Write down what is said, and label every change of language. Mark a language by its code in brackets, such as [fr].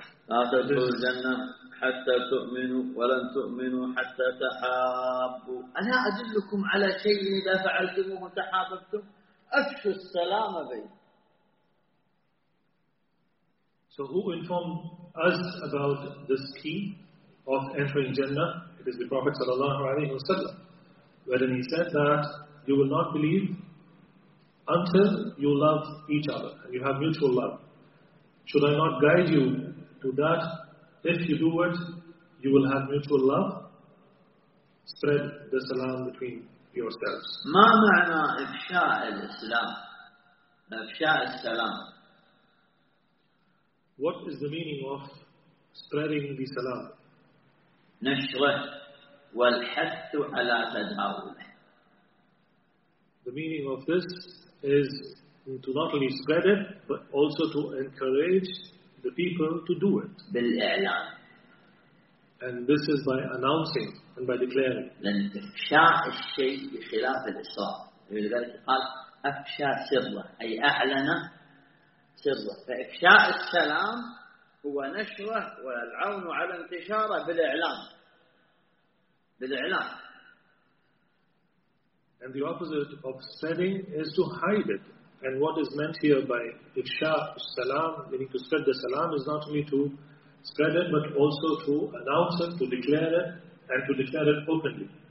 [ar] لا تدخل الجنة حتى تؤمنوا ولن تؤمنوا حتى تحابوا. أنا أدلكم على شيء إذا فعلتموه وتحاببتم أفشوا السلام بين. [en] So who informed us about this key of entering Jannah? It is the Prophet sallallahu alaihi wasallam, wherein he said that you will not believe until you love each other and you have mutual love. Should I not guide you to that? If you do it, you will have mutual love. Spread the salam between yourselves. [ar] ما معنى إفشاء الإسلام؟ إفشاء السلام. [en] What is the meaning of spreading the salam? [ar] نشره والحث على تداوله. [en] The meaning of this is to not only spread it, but also to encourage the people to do it. [ar] بالإعلان. [en] And this is by announcing and by declaring. [ar] لأن إفشاء الشيء بخلاف الإصرار. لذلك قال أفشى سره أي أعلن سره. فإفشاء السلام هو نشره والعون على انتشاره بالإعلان. بالإعلان. [en] And the opposite of spreading is to hide it. And what is meant here by Ifsha Salam, meaning to spread the Salam, is not only to spread it, but also to announce it, to declare it, and to declare it openly.